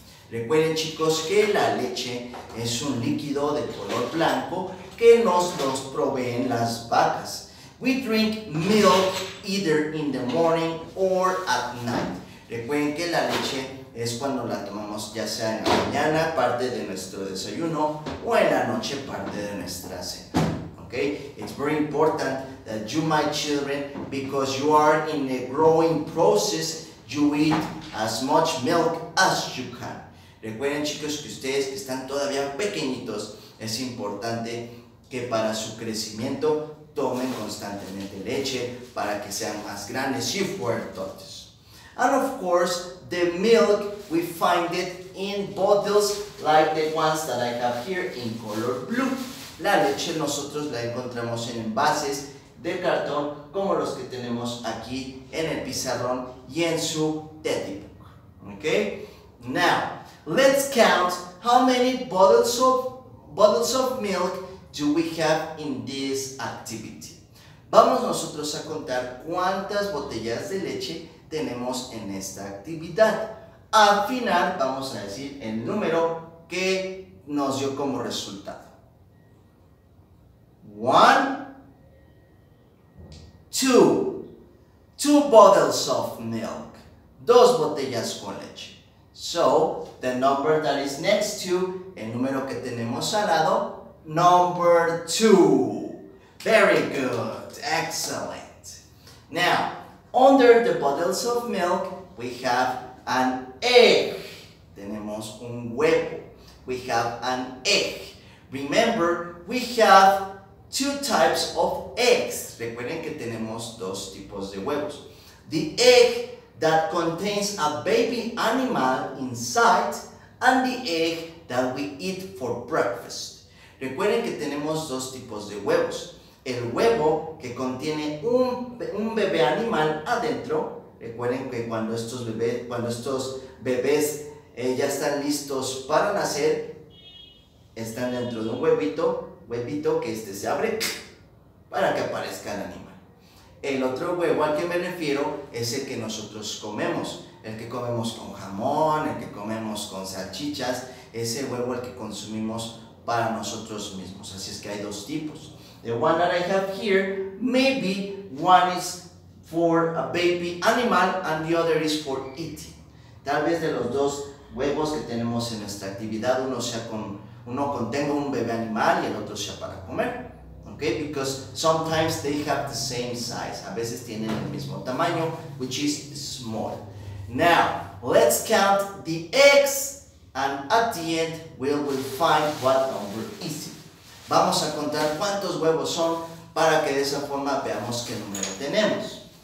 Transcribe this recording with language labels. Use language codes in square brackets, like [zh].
[es] Recuerden, chicos, que la leche es un líquido de color blanco que nos proveen las vacas. [en] We drink milk either in the morning or at night. [es] Recuerden que la leche es cuando la tomamos ya sea en la mañana, parte de nuestro desayuno, o en la noche, parte de nuestra cena. [en] Okay? It's very important that you, my children, because you are in a growing process, you eat as much milk as you can. [es] Recuerden, chicos, que ustedes que están todavía pequeñitos, es importante que para su crecimiento tomen constantemente leche para que sean más grandes, [en] if we're adults. And of course, the milk, we find it in bottles like the ones that I have here in color blue. [es] La leche nosotros la encontramos en envases de cartón como los que tenemos aquí en el pizarrón y en su teddy book. [en] Okay? Now, let's count how many bottles of milk do we have in this activity. [es] Vamos nosotros a contar cuántas botellas de leche tenemos en esta actividad. Al final vamos a decir el número que nos dio como resultado. [en] 1, 2. 2 bottles of milk. [es] 2 botellas con leche. [en] So, the number that is next to, [es] el número que tenemos al lado, [en] number 2. Very good. Excellent. Now, under the bottles of milk, we have an egg. [es] Tenemos un huevo. [en] We have an egg. Remember, we have 2 types of eggs. [es] Recuerden que tenemos 2 tipos de huevos. [en] The egg that contains a baby animal inside, and the egg that we eat for breakfast. [es] Recuerden que tenemos 2 tipos de huevos. El huevo que contiene un bebé animal adentro. Recuerden que cuando estos bebés ya están listos para nacer, están dentro de un huevito que este se abre para que aparezca el animal. El otro huevo al que me refiero es el que nosotros comemos, el que comemos con jamón, el que comemos con salchichas, ese huevo el que consumimos para nosotros mismos. Así es que hay 2 tipos. [en] The one that I have here, maybe one is for a baby animal and the other is for eating. [es] Tal vez de los 2 huevos que tenemos en nuestra actividad, uno contenga un bebé animal y el otro sea para comer. [en] Okay? Because sometimes they have the same size. [es] A veces tienen el mismo tamaño, [en] which is small. Now, let's count the eggs and at the end we will find what number is. [es] Vamos a contar cuántos huevos son para que de esa forma veamos qué número tenemos.